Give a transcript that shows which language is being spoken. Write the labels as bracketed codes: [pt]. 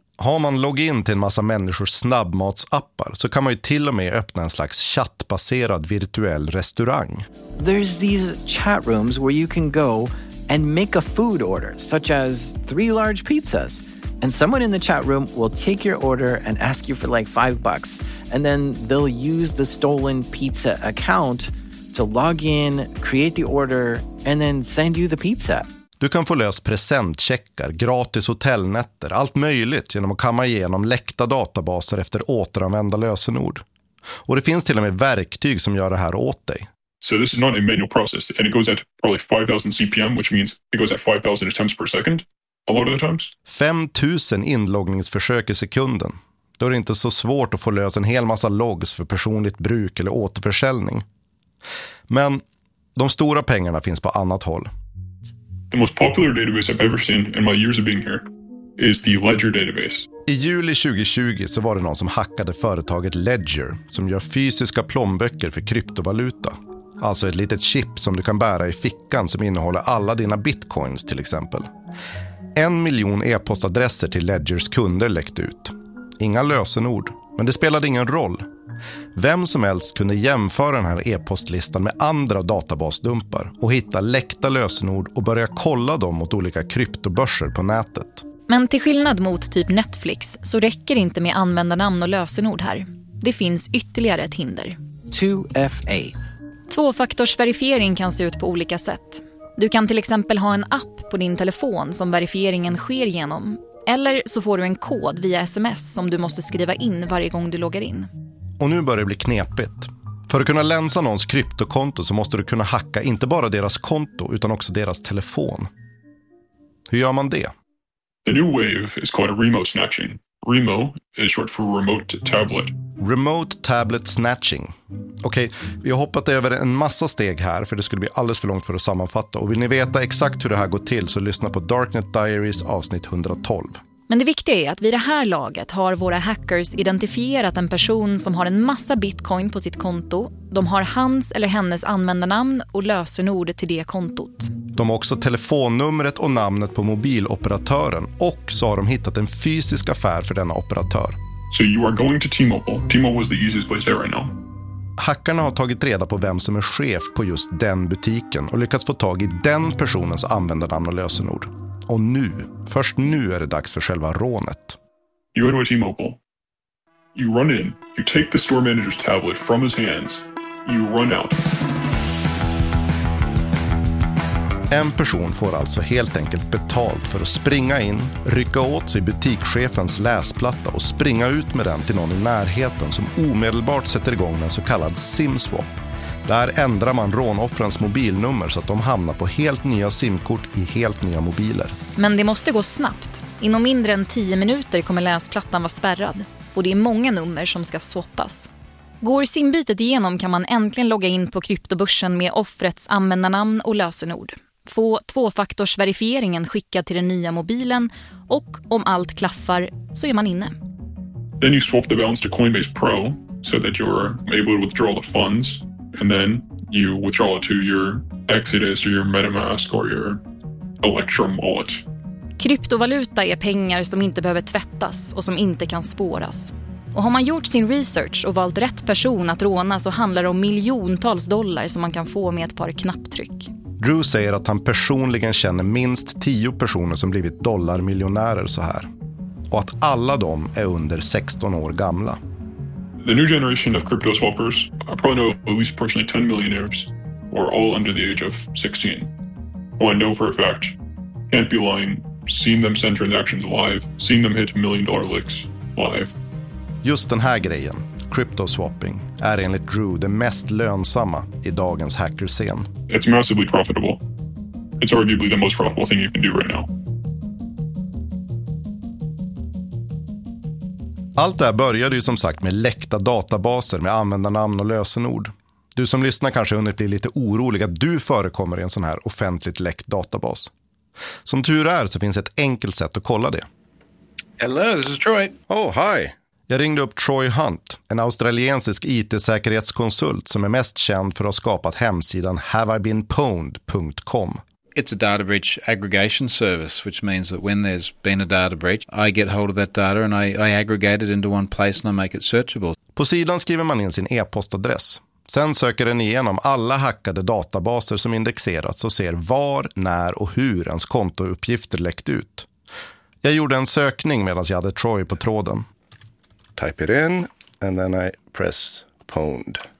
[sv] Har man login till en massa människors snabbmatsappar så kan man ju till och med öppna en slags chattbaserad virtuell restaurang. [en] There's these chat rooms where you can go and make a food order, such as 3 large pizzas. And someone in the chat room will take your order and ask you for like $5. And then they'll use the stolen pizza account to log in, create the order, and then send you the pizza. [sv] Du kan få lös presentcheckar, gratis hotellnätter, allt möjligt genom att kamma igenom läckta databaser efter återanvända lösenord. Och det finns till och med verktyg som gör det här åt dig. [en] So this is not a manual process, and it goes at probably 5,000 CPM, which means it goes at 5,000 attempts per second. A lot of the times. [sv] 5,000 inloggningsförsök i sekunden. Då är det inte så svårt att få lös en hel massa logs för personligt bruk eller återförsäljning. Men de stora pengarna finns på annat håll. [en] The most popular database I've ever seen in my years of being here is the Ledger database. [sv] I juli 2020 så var det någon som hackade företaget Ledger som gör fysiska plånböcker för kryptovaluta. Alltså ett litet chip som du kan bära i fickan som innehåller alla dina bitcoins till exempel. 1 miljon e-postadresser till Ledgers kunder läckte ut. Inga lösenord, men det spelade ingen roll. Vem som helst kunde jämföra den här e-postlistan med andra databasdumpar och hitta läckta lösenord och börja kolla dem mot olika kryptobörser på nätet. Men till skillnad mot typ Netflix så räcker det inte med användarnamn och lösenord här. Det finns ytterligare ett hinder. 2FA. Tvåfaktorsverifiering kan se ut på olika sätt. Du kan till exempel ha en app på din telefon som verifieringen sker genom. Eller så får du en kod via sms som du måste skriva in varje gång du loggar in. Och nu börjar det bli knepigt. För att kunna länsa någons kryptokonto så måste du kunna hacka inte bara deras konto utan också deras telefon. Hur gör man det? [en] The new wave is called remote snatching. Remo is short for remote tablet. Remote tablet snatching. [sv] Okej, vi har hoppat över en massa steg här för det skulle bli alldeles för långt för att sammanfatta. Och vill ni veta exakt hur det här går till så lyssna på Darknet Diaries avsnitt 112. Men det viktiga är att vid det här laget har våra hackers identifierat en person som har en massa bitcoin på sitt konto. De har hans eller hennes användarnamn och lösenord till det kontot. De har också telefonnumret och namnet på mobiloperatören. Och så har de hittat en fysisk affär för denna operatör. [en] So you are going to T-Mobile. T-Mobile is the easiest place there right now. [sv] Hackarna har tagit reda på vem som är chef på just den butiken och lyckats få tag i den personens användarnamn och lösenord. Och nu, först nu är det dags för själva rånet. [en] You go to a T-Mobile. You run in. You take the store manager's tablet from his hands. You run out. [sv] En person får alltså helt enkelt betalt för att springa in, rycka åt sig butikschefens läsplatta och springa ut med den till någon i närheten som omedelbart sätter igång en så kallad SIM-swap. Där ändrar man rånoffrens mobilnummer så att de hamnar på helt nya SIM-kort i helt nya mobiler. Men det måste gå snabbt. Inom mindre än 10 minuter kommer läsplattan vara spärrad och det är många nummer som ska swappas. Går SIM-bytet igenom kan man äntligen logga in på kryptobörsen med offrets användarnamn och lösenord. Få tvåfaktorsverifieringen skickad till den nya mobilen och om allt klaffar så är man inne. [en] Then you swap the balance to Coinbase Pro so that you're able to withdraw the funds and then you withdraw it to your Exodus or your MetaMask or your Electrum wallet. [sv] Kryptovaluta är pengar som inte behöver tvättas och som inte kan spåras. Och har man gjort sin research och valt rätt person att råna så handlar det om miljontals dollar som man kan få med ett par knapptryck. Drew säger att han personligen känner minst 10 personer som blivit dollarmiljonärer så här. Och att alla de är under 16 år gamla. [en] The new generation of crypto swappers, I probably know at least personally 10 millionaires, are all under the age of 16. Who I know for a fact, can't be lying, seen them send transactions live, seen them hit $1 million licks live. [sv] Just den här grejen, cryptoswapping, är enligt Drew det mest lönsamma i dagens hackerscen. [en] It's massively profitable. It's arguably the most profitable thing you can do right now. [sv] Allt det här började ju som sagt med läckta databaser med användarnamn och lösenord. Du som lyssnar kanske hunnit bli lite orolig att du förekommer i en sån här offentligt läckt databas. Som tur är så finns ett enkelt sätt att kolla det. [en] Hello, this is Troy. Oh, hi. [sv] Jag ringde upp Troy Hunt, en australiensisk IT-säkerhetskonsult som är mest känd för att ha skapat hemsidan haveibeenpwned.com. [en] It's a data breach aggregation service, which means that when there's been a data breach, I get hold of that data and I aggregate it into one place and I make it searchable. [sv] På sidan skriver man in sin e-postadress. Sen söker den igenom alla hackade databaser som indexerats och ser var, när och hur ens kontouppgifter läckt ut. Jag gjorde en sökning medan jag hade Troy på tråden. [en] Type it in and then I press pwned.